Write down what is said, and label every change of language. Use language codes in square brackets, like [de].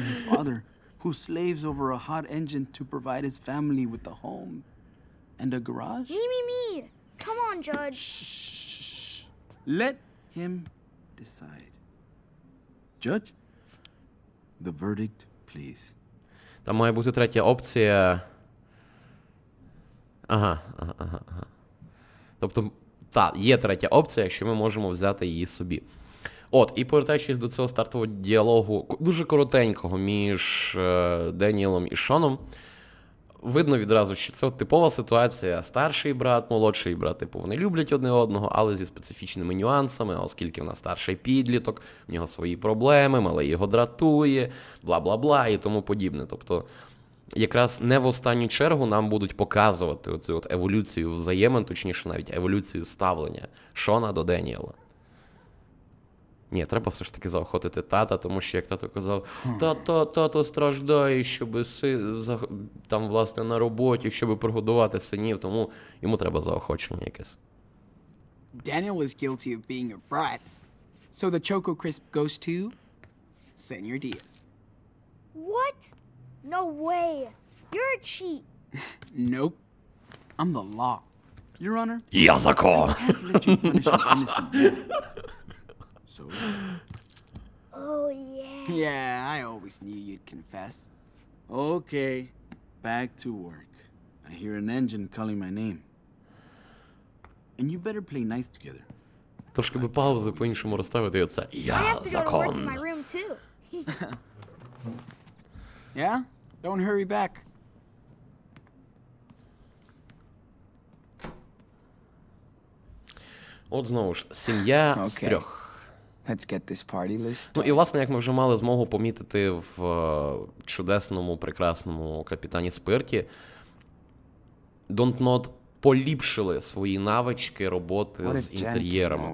[en] father who slaves over a hot engine to provide his family with a home and a garage? Me. Come on, Judge. Shh. Let him decide. Judge, the verdict, please. [uk] Там має бути третя опція. Ага. Тобто, та, є третя опція, що ми можемо взяти її собі. От, і повертаючись до цього стартового діалогу, дуже коротенького, між Деніелом і Шоном, видно відразу, що це типова ситуація. Старший брат, молодший брат, типу, вони люблять одне одного, але зі специфічними нюансами, оскільки в нас старший підліток, в нього свої проблеми, мале його дратує, бла-бла-бла і тому подібне. Тобто, якраз не в останню чергу нам будуть показувати оцю от еволюцію взаємин, точніше навіть еволюцію ставлення Шона до Деніела. Ні, треба все ж таки заохотити тата, тому що, як тато казав, тато страждає, щоб там, власне, на роботі, щоб прогодувати синів, тому йому треба заохочення якесь. [en] Daniel is guilty of being a brat. So the Choco Crisp goes to Senor Diaz. What? No way. You're a cheat. Nope. I'm the law. Your Honor. [uk] Я закон. [en] Oh, yeah. Yeah, I always knew you'd confess. Okay, back to work. I hear an engine calling my name. And you better play nice together. [uk] Трошки би паузи по-іншому розставити, і оце. Я закон. [en] I have to go to work in my room, too. Yeah? Don't hurry back. [uk] От знову ж, сім'я з трьох. [en] Let's get this party list. [uk] Ну і власне, як ми вже мали змогу помітити в чудесному, прекрасному Капітані Спирті, Донтнот поліпшили свої навички роботи з інтер'єрами.